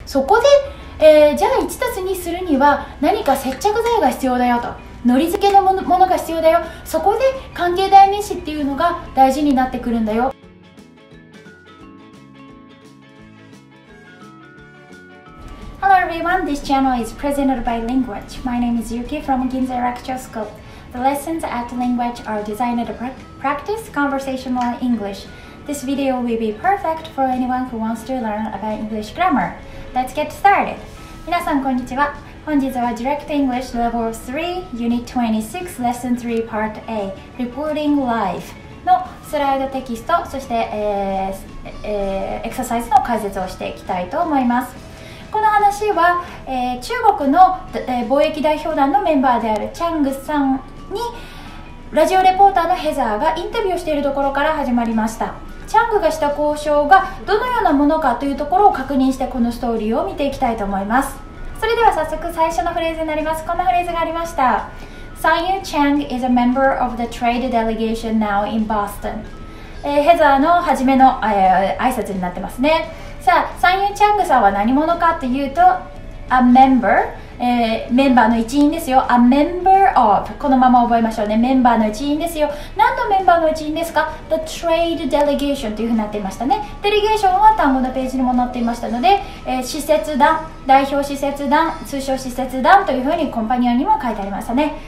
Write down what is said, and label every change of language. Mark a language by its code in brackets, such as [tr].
[ja] そこで、じゃあ1たす2するには何か接着剤が必要だよと、のり付けのものが必要だよ、そこで関係代名詞っていうのが大事になってくるんだよ。 [en] Hello everyone, this channel is presented by Language. My name is Yuki from Ginza Lecture School. The lessons at Language are designed to practice conversational English. This video will be perfect for anyone who wants to learn about English grammar. Let's get started! [ja] 皆さんこんにちは。本日は Direct English Level 3 Unit 26 Lesson 3 Part A Reporting Live のスライドテキスト、そして、エクササイズの解説をしていきたいと思います。この話は、中国の、貿易代表団のメンバーであるチャングさんにラジオレポーターのヘザーがインタビューしているところから始まりました。チャングがした交渉がどのようなものかというところを確認して、このストーリーを見ていきたいと思います。それでは早速最初のフレーズになります。こんなフレーズがありました。 [en] Sun Yu Chang is a member of the trade delegation now in Boston、 [ja] ヘザーの初めの、挨拶になってますね。さあ、サンユーチャングさんは何者かというと A member、メンバーの一員ですよ。 A member of、 このまま覚えましょうね。メンバーの一員ですよ。何のメンバーの一員ですか？The trade delegation というふうになっていましたね。デリゲーションは単語のページにも載っていましたので、使節団、代表使節団、通称使節団というふうにコンパニオンにも書いてありましたね。